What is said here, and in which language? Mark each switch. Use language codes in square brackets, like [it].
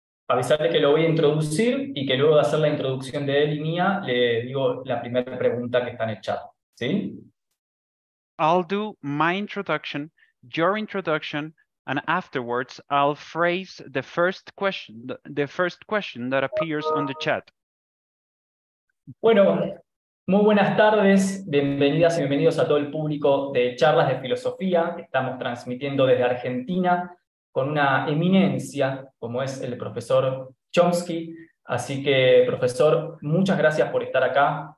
[es] Avisarle que lo voy a introducir y que luego de hacer la introducción de él y mía, le digo la primera pregunta que está en el chat, ¿sí? [en] I'll do my introduction, your introduction, and afterwards I'll phrase the first question that appears on the chat. [es] Bueno, muy buenas tardes, bienvenidas y bienvenidos a todo el público de Charlas de Filosofía. Estamos transmitiendo desde Argentina con una eminencia como es el profesor Chomsky. Así que, profesor, muchas gracias por estar acá.